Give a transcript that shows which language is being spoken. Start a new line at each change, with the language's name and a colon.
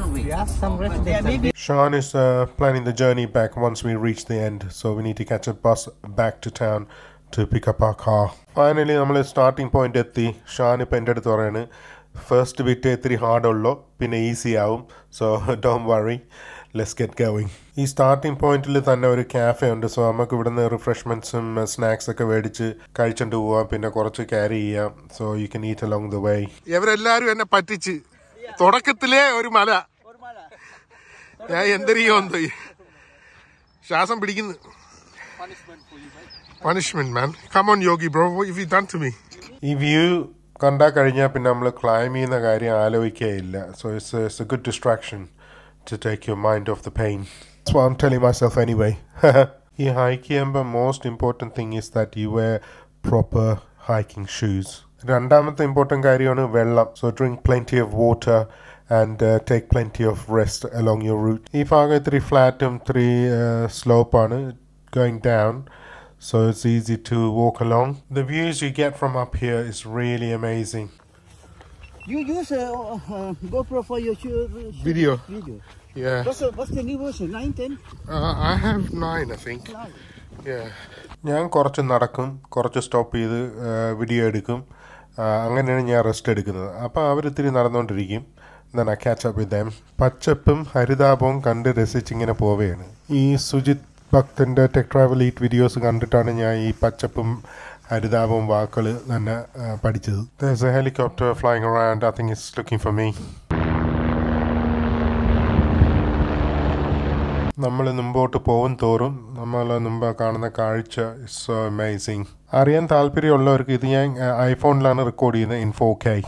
English: Shan is planning the journey back once we reach the end, so we need to catch a bus back to town to pick up our car.
Malayalam: Finally, നമ്മളെ starting point എത്തി. ഷാൻ ഇപ്പം എൻ്റെ അടുത്ത് പറയാണ്, first bit ഇത്തിരി hard ഉള്ളു, പിന്നെ easy ആവും.
English: So don't worry, let's get going.
Malayalam: ഈ സ്റ്റാർട്ടിംഗ് പോയിന്റിൽ തന്നെ ഒരു ക്യാഫെ ഉണ്ട്. സോ നമുക്ക് ഇവിടെ നിന്ന് റിഫ്രഷ്മെൻറ്റ്സും സ്നാക്സ് ഒക്കെ മേടിച്ച് കഴിച്ചിട്ട് പോവാം, പിന്നെ കുറച്ച് ക്യാരി ചെയ്യാം.
English: So you can eat along the way.
Malayalam: ഇവരെല്ലാവരും എന്നെ പറ്റിച്ച്. തുടക്കത്തിലെ ഒരു മല, ഞാൻ എന്തരിയോ എന്തോ ശ്വാസം പിടിക്കുന്നു.
English: Punishment man, come on Yogi bro, if you done to me.
Malayalam: ഈ വ്യൂ കണ്ടാൽ കഴിഞ്ഞാൽ പിന്നെ നമ്മൾ ക്ലൈംബ് ചെയ്യുന്ന കാര്യം ആലോചിക്കുകയില്ല.
English: So it's a good distraction to take your mind off the pain. So I am telling myself anyway.
Malayalam: ഈ hike ചെയ്യുമ്പോൾ
English: Most important thing is that you wear proper hiking shoes.
Malayalam: രണ്ടാമത്തെ important കാര്യമാണ് വെള്ളം.
English: So drink plenty of water and take plenty of rest along your route.
Malayalam: ഈ ഭാഗം ഇത്തിരി ഫ്ലാറ്റും ഇത്തിരി slope ആണ്,
English: Going down. So it's easy to walk along. The views you get from up here is really amazing. You use GoPro for your video? Yeah. What's the new version? 9, 10? I have 9, I think. 9. Yeah.
Malayalam: ഞാൻ കുറച്ച് നടക്കും, കുറച്ച് stop ചെയ്ത് video എടുക്കും. അങ്ങനെയാണ് ഞാൻ rest എടുക്കുന്നത്. അപ്പം അവരിത്തിരി നടന്നുകൊണ്ടിരിക്കും.
English: Then I catch up with them.
Malayalam: പച്ചപ്പും ഹരിതാപവും കണ്ട് രസിച്ചിങ്ങനെ പോവുകയാണ്. ഈ Sujith ഭക്തൻ്റെ tech travel eat videos കണ്ടിട്ടാണ് ഞാൻ ഈ പച്ചപ്പും ഹരിതാപവും വാക്കുകൾ തന്നെ പഠിച്ചത്.
English: There's a helicopter flying around. I think it's looking for me.
Malayalam: നമ്മൾ മുമ്പോട്ട് പോകും തോറും നമ്മളെ മുമ്പ് കാണുന്ന കാഴ്ച
English: Is so amazing.
Malayalam: അറിയാൻ താല്പര്യമുള്ളവർക്ക് ഇത് ഞാൻ ഐഫോണിലാണ് റെക്കോർഡ് ചെയ്യുന്നത്, ഇൻ 4K.